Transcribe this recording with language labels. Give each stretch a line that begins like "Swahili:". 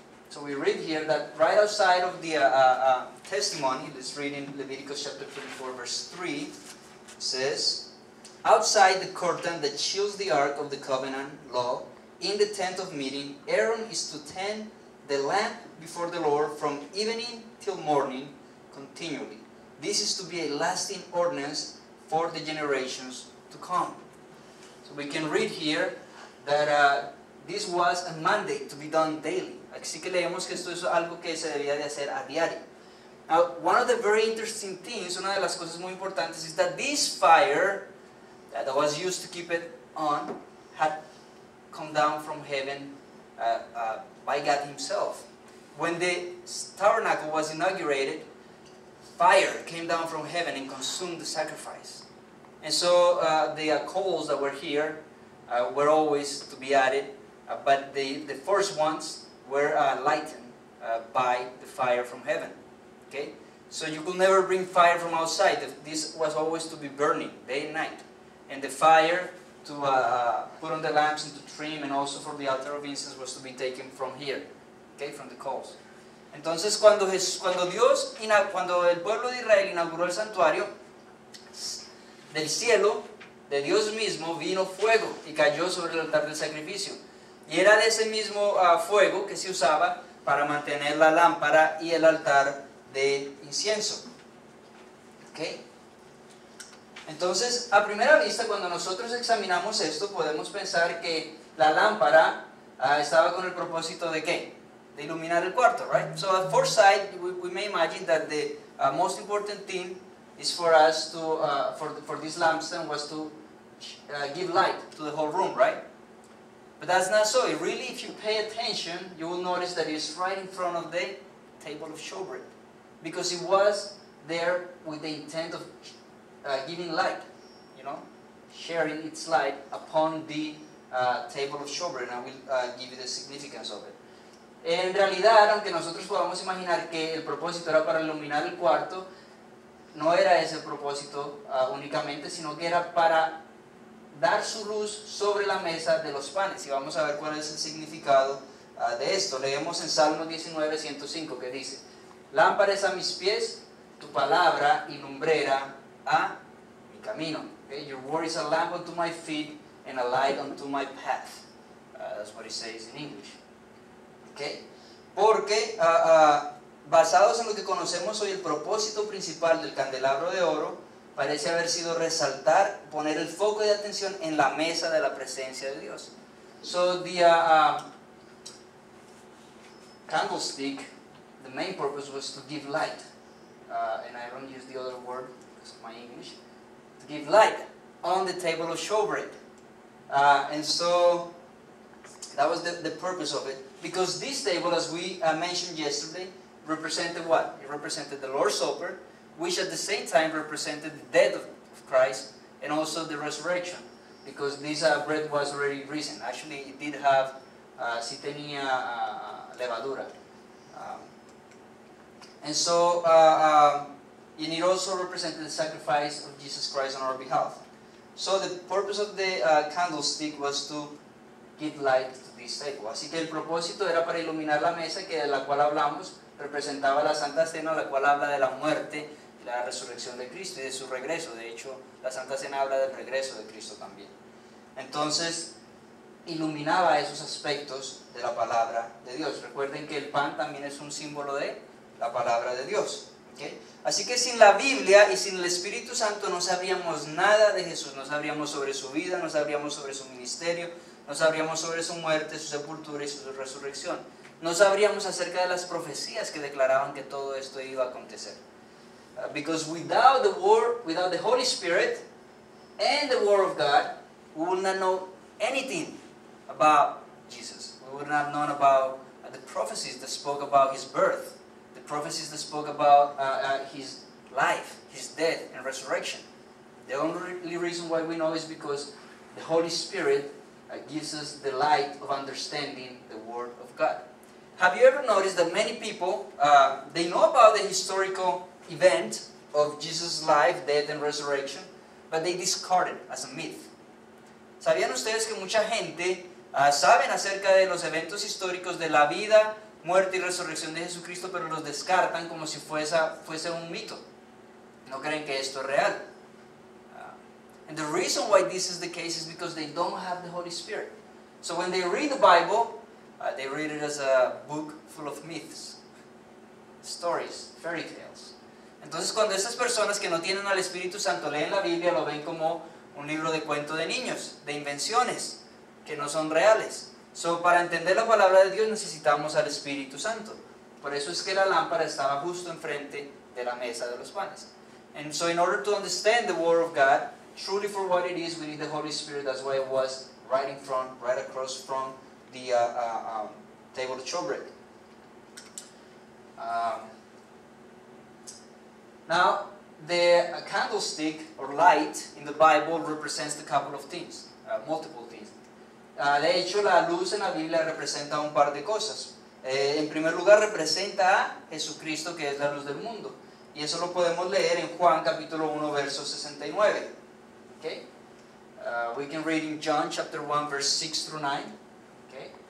English: So we read here that right outside of the testimony, let's read in Leviticus chapter 24, verse 3, says, outside the curtain that shields the ark of the covenant law, in the tent of meeting, Aaron is to tend the lamp before the Lord from evening till morning, continually. This is to be a lasting ordinance for the generations to come. So we can read here that this was a mandate to be done daily.
Spanish: Así que leemos que esto es algo que se debía de hacer a diario.
English: Now, one of the very interesting things,
Spanish: una de las cosas muy importantes,
English: is that this fire that was used to keep it on had come down from heaven by God himself. When the tabernacle was inaugurated, fire came down from heaven and consumed the sacrifice. And so the coals that were here were always to be added, but the first ones were lightened by the fire from heaven. Okay? So you could never bring fire from outside. This was always to be burning day and night. And the fire to put on the lamps and to trim, and also for the altar of incense, was to be taken from here, okay, from the coals.
Spanish: Entonces, cuando el pueblo de Israel inauguró el santuario, del cielo, de Dios mismo, vino fuego y cayó sobre el altar del sacrificio. Y era de ese mismo fuego que se usaba para mantener la lámpara y el altar de incienso. ¿Okay? Entonces, a primera vista, cuando nosotros examinamos esto, podemos pensar que la lámpara estaba con el propósito de ¿qué? De iluminar el cuarto, right?
English: So at first sight, we may imagine that the most important thing is for us to for this lampstand was to give light to the whole room, right? But that's not so. It really, if you pay attention, you will notice that it's right in front of the table of showbread, because it was there with the intent of giving light, you know, sharing its light upon the table of showbread. And I will give you the significance of it.
Spanish: En realidad, aunque nosotros podamos imaginar que el propósito era para iluminar el cuarto, no era ese el propósito únicamente, sino que era para dar su luz sobre la mesa de los panes. Y vamos a ver cuál es el significado de esto. Leemos en Salmo 19, 105, que dice: lámparas a mis pies, tu palabra y lumbrera a mi camino.
English: Okay? Your word is a lamp unto my feet and a light unto my path. That's what it says in English. Okay.
Spanish: Porque basados en lo que conocemos hoy, el propósito principal del candelabro de oro parece haber sido resaltar, poner el foco de atención en la mesa de la presencia de Dios.
English: So the candlestick, the main purpose was to give light. And I don't use the other word because of my English. To give light on the table of showbread. And so that was the purpose of it. Because this table, as we mentioned yesterday, represented what? It represented the Lord's Supper, which at the same time represented the death of Christ and also the resurrection, because this bread was already risen. Actually, it did have,
Spanish: si tenía levadura.
English: And it also represented the sacrifice of Jesus Christ on our behalf. So the purpose of the candlestick was to give light.
Spanish: Así que el propósito era para iluminar la mesa, que de la cual hablamos representaba la Santa Cena, la cual habla de la muerte y la resurrección de Cristo y de su regreso. De hecho, la Santa Cena habla del regreso de Cristo también. Entonces, iluminaba esos aspectos de la palabra de Dios. Recuerden que el pan también es un símbolo de la palabra de Dios. ¿Okay? Así que sin la Biblia y sin el Espíritu Santo no sabríamos nada de Jesús. No sabríamos sobre su vida, no sabríamos sobre su ministerio. No sabríamos sobre su muerte, su sepultura y su resurrección. No sabríamos acerca de las profecías que declaraban que todo esto iba a acontecer.
English: Because without the Word, without the Holy Spirit and the Word of God, we would not know anything about Jesus. We would not know about the prophecies that spoke about his birth, the prophecies that spoke about his life, his death and resurrection. The only reason why we know is because the Holy Spirit gives us the light of understanding the Word of God. Have you ever noticed that many people, they know about the historical event of Jesus' life, death, and resurrection, but they discard it as a myth?
Spanish: ¿Sabían ustedes que mucha gente saben acerca de los eventos históricos de la vida, muerte y resurrección de Jesucristo, pero los descartan como si fuese un mito? No creen que esto es real.
English: And the reason why this is the case is because they don't have the Holy Spirit. So when they read the Bible, they read it as a book full of myths, stories, fairy tales.
Spanish: Entonces cuando esas personas que no tienen al Espíritu Santo leen la Biblia, lo ven como un libro de cuento de niños, de invenciones, que no son reales. So, para entender la palabra de Dios necesitamos al Espíritu Santo. Por eso es que la lámpara estaba justo enfrente de la mesa de los panes.
English: And so in order to understand the word of God truly for what it is, we need the Holy Spirit. That's why it was right in front, right across from the table of showbread. Now, the candlestick or light in the Bible represents a couple of things, multiple things.
Spanish: De hecho, la luz en la Biblia representa un par de cosas. En primer lugar, representa a Jesucristo, que es la luz del mundo. Y eso lo podemos leer en Juan capítulo 1, verso 69. Okay?
English: We can read in John chapter 1, verse 6 through 9. Okay?